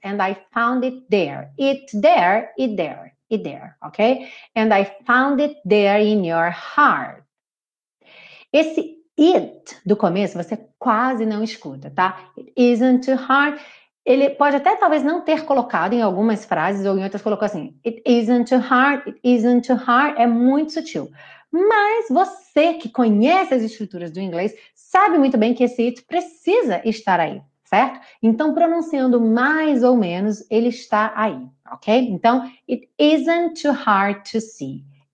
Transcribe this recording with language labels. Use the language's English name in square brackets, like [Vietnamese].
[English] And I found it there. It there. Okay? And I found it there in your heart. [Portuguese] Esse it do começo, você quase não escuta, tá? [English] It isn't too hard. [Portuguese] Ele pode até talvez não ter colocado em algumas frases ou em outras, colocou assim. [English] It isn't too hard. [Portuguese] É muito sutil. Mas você que conhece as estruturas do inglês sabe muito bem que esse it precisa estar aí, certo? Então, pronunciando mais ou menos, ele está aí, ok? Então, [English] it isn't too hard to see.